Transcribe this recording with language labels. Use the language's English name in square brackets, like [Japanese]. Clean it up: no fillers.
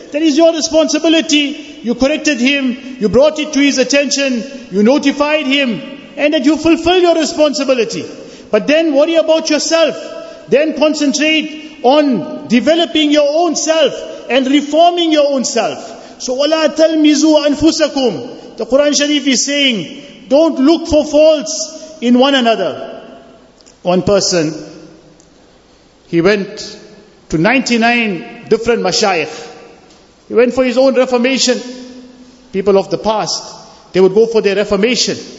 [English] That is your responsibility. You corrected him, you brought it to his attention, you notified him, and that you fulfill your responsibility. But then worry about yourself. Then concentrate on developing your own self and reforming your own self. [Arabic] So, وَلَا تَلْمِزُوا أَنفُسَكُمْ. [English] The Quran Sharif is saying, don't look for faults in one another. One person, he went to 99 different mashayikh. He went for his own reformation. People of the past, they would go for their reformation.